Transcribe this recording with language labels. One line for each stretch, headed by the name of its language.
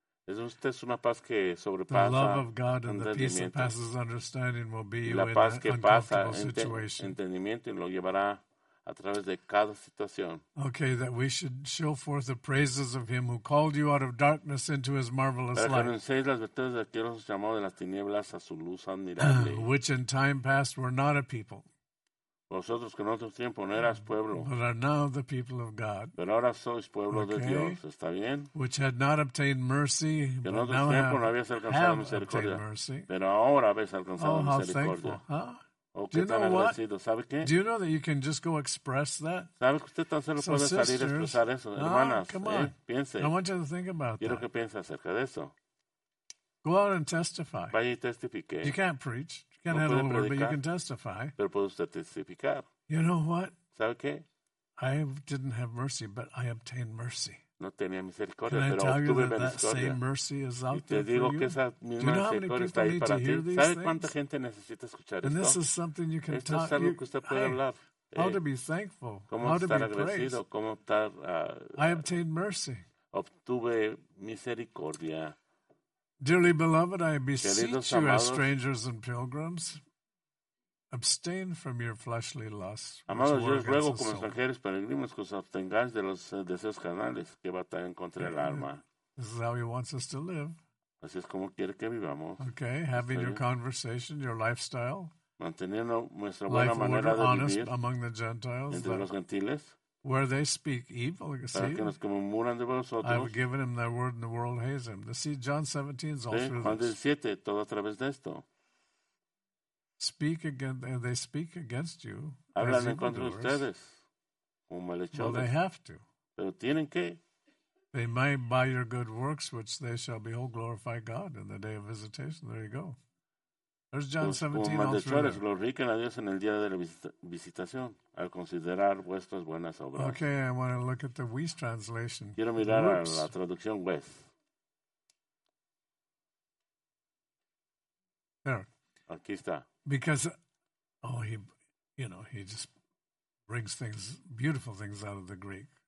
Spanish: Usted es una paz que sobrepasa
English: the love of God and the peace that passes understanding will be you
Spanish: la
English: in
Spanish: paz que
English: an uncomfortable situation.
Spanish: Entendimiento y lo llevará a través de cada situación.
English: Okay, that we should show forth the praises of him who called you out of darkness into his marvelous light.
Spanish: Para que anunciéis las virtudes de aquel que os llamó de las tinieblas a su luz admirable.
English: Which in time past were not a people.
Spanish: Vosotros que en otro tiempo no eras pueblo.
English: But are now the people of God.
Spanish: Pero ahora sois pueblo de Dios, ¿está bien?
English: Which had not obtained mercy,
Spanish: que en otro tiempo no habías alcanzado misericordia. Pero ahora habéis alcanzado misericordia.
English: Do you know that you can just go express that?
Spanish: ¿Sabe que usted tan solo puede salir a expresar eso, hermanas?
English: Come on.
Spanish: Piense.
English: I want you to think about that.
Spanish: Quiero que piense acerca de eso.
English: Go out and testify.
Spanish: Vaya y testifique.
English: You can't preach. You can't have a word, but you can testify.
Spanish: Pero puede usted testificar.
English: You know what?
Spanish: ¿Sabe qué?
English: I didn't have mercy, but I obtained mercy.
Spanish: No tenía misericordia, pero obtuve misericordia. Y te digo que esa misma misericordia está ahí para ti. ¿Sabe cuánta gente necesita escuchar esto?
English: This is something you can
Spanish: esto es algo que usted puede hablar.
English: How to be thankful.
Spanish: ¿Cómo
English: how
Spanish: estar
English: to be
Spanish: agradecido? ¿Cómo estar,
English: I obtained mercy.
Spanish: Obtuve misericordia.
English: Dearly beloved, I beseech you as strangers and pilgrims. Abstain from your fleshly lusts.
Spanish: Amados, yo os ruego como extranjeros peregrinos que os abstengáis de los deseos carnales que batallan contra el alma.
English: This is how he wants us to live.
Spanish: Así es como quiere que vivamos.
English: Okay, having your conversation, your lifestyle.
Spanish: Manteniendo nuestra buena manera de vivir
English: among the Gentiles,
Spanish: entre los gentiles.
English: Where they speak evil, you see.
Spanish: Para que nos murmuran de vosotros.
English: I've given him that word and the world hates him. The see, John 17 is all through
Spanish: Juan 17, todo a través de esto.
English: Speak against, and they speak against you.
Spanish: Hablan en contra de ustedes, como malhechores.
English: Well, they have to.
Spanish: Pero tienen que.
English: They might by your good works, which they shall behold, glorify God in the day of visitation. There you go. There's John 17.
Spanish: Como malhechores, glorifiquen a Dios en el día de la visitación, al considerar vuestras buenas obras.
English: Okay, I want to look at the Weiss translation.
Spanish: Quiero mirar a la traducción Weiss.
English: There.
Spanish: Aquí está.
English: Because, oh, he, you know, he just brings things, beautiful things out of the Greek.